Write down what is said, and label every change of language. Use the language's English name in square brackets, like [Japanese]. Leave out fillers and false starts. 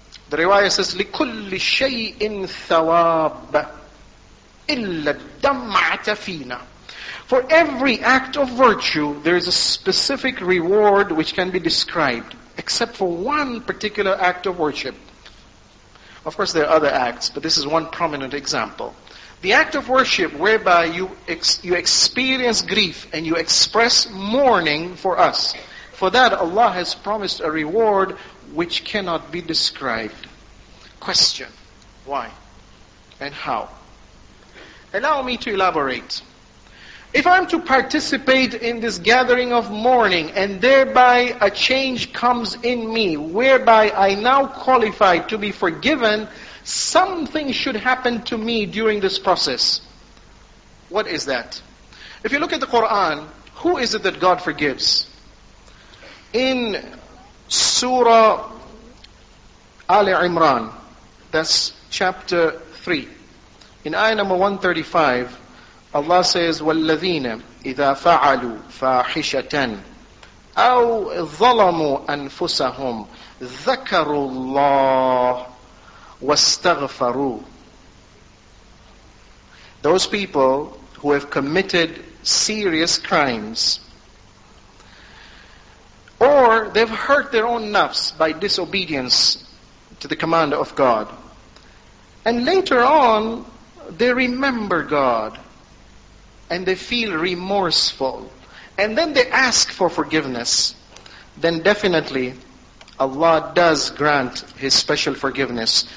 [English] The riwayah says, [Arabic] لِكُلِّ شَيْءٍ ثَوَابٍ إِلَّا الدَّمْعَةَ فِينَا. [English] For every act of virtue, there is a specific reward which can be described, except for one particular act of worship. Of course, there are other acts, but this is one prominent example. The act of worship whereby you experience grief and you express mourning for us, for that Allah has promised a reward which cannot be described. Question, why and how? Allow me to elaborate. If I'm to participate in this gathering of mourning and thereby a change comes in me, whereby I now qualify to be forgiven, something should happen to me during this process. What is that? If you look at the Quran, who is it that God forgives? In Surah Ali Imran, that's chapter 3. In ayah number 135, Allah says, [Arabic] وَالَّذِينَ إِذَا فَعَلُوا فَاحِشَةً أَوْ ظَلَمُوا أَنفُسَهُمْ ذَكَرُوا اللَّهُ وَاسْتَغْفَرُوا. [English] Those people who have committed serious crimes, or they've hurt their own nafs by disobedience to the commander of God. And later on, they remember God and they feel remorseful, and then they ask for forgiveness, then definitely Allah does grant His special forgiveness.